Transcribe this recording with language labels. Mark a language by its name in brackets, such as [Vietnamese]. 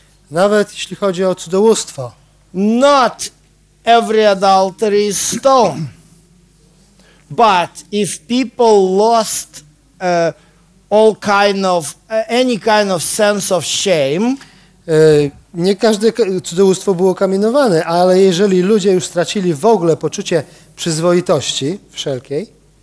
[Polish] Nawet jeśli chodzi o cudzołóstwo. [English] Not every adultery is stoned. But if people lost all kind of any kind of sense of shame, [Polish] nie każde cudzołóstwo było kamienowane, ale jeżeli ludzie już stracili w ogóle poczucie przyzwoitości wszelkiej,